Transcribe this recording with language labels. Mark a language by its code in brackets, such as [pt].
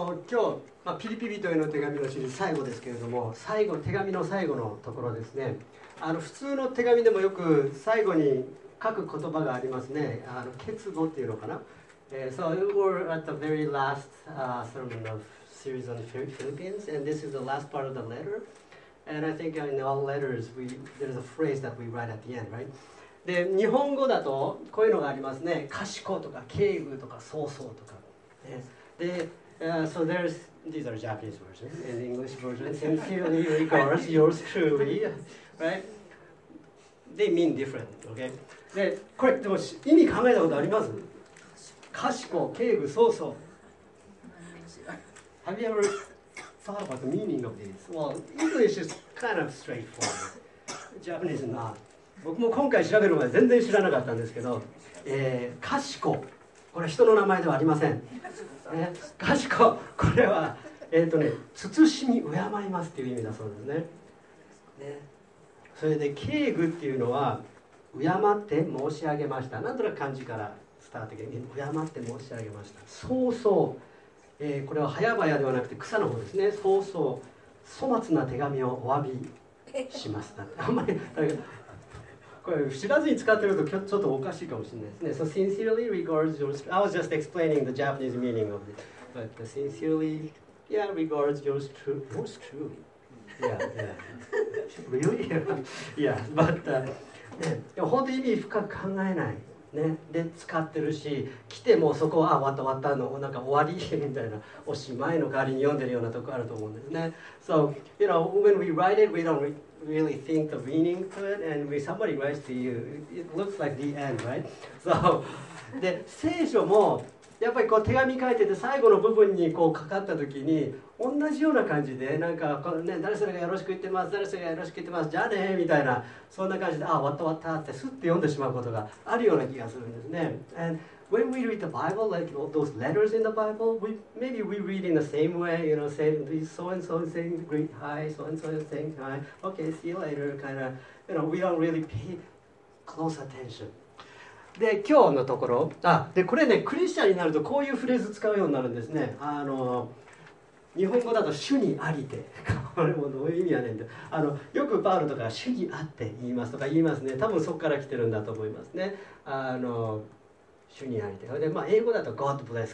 [ja] 今日、ピリピリトへの手紙のシリーズ最後ですけれども、最後、手紙の最後のところですね。普通の手紙でもよく最後に書く言葉がありますね。結語っていうのかな。 [en] So we're at the very last sermon of series on Philippians, and this is the last part of the letter. And I think in all letters, there's a phrase that we write at the end, right? [ja] で、日本語だとこういうのがありますね。賢とか敬具とか草草とか。 [en] で、So these are Japanese versions and English versions. Sincerely yours, yours truly, right? They mean different, okay? [ja] で、これでも意味考えたことあります？賢、敬具、草草。 [en] Have you ever thought about the meaning of these? Well, English is kind of straightforward. Japanese is not. [ja] 僕も今回調べるまで全然知らなかったんですけど、賢、これ人の名前ではありません。賢、これは、慎み、敬いますっていう意味だそうですね。ね。それで、敬具っていうのは、敬って申し上げました。なんとなく漢字から伝わってきて、敬って申し上げました。そうそう、これは早々ではなくて草の方ですね。そうそう、粗末な手紙をお詫びしますなんて、あんまりだけど、これ知らずに使ってるとちょっとおかしいかもしれないですね。 [en] So sincerely regards yours. I was just explaining the Japanese meaning of it, but sincerely, yeah, regards yours truly. Yours truly. Yeah. Really? Yeah, but [ja] ね、でも本当に意味深く考えない、ね、で使ってるし、来てもそこは終わった、終わったの、なんか終わりみたいな、おしまいの代わりに読んでるようなとこあると思うんですね。 [en] So, you know, when we write it, we don't really think the meaning to it, and when somebody writes to you, it looks like the end, right? [ja] So, で、聖書もやっぱりこう手紙書いてて、最後の部分にこうかかった時に同じような感じで、なんかこのね、誰それがよろしく言ってます、誰それがよろしく言ってます、じゃあねみたいな、そんな感じで、あ、終わった終わったって、すって読んでしまうことがあるような気がするんですね。 [en] And when we read the Bible, like those letters in the Bible, maybe we read in the same way, you know, saying so and so saying great hi, so and so saying hi, okay, see you later, kind of, you know, we don't really pay close attention. [ja] で、今日のところ、で、これね、クリスチャンになるとこういうフレーズ使うようになるんですね。日本語だと主にありて、これもどういう意味やねんって、よくパウロとか主にあって言いますとか言いますね。多分そこから来てるんだと思いますね。主にありて。で、まあ、英語だと [en] God bless。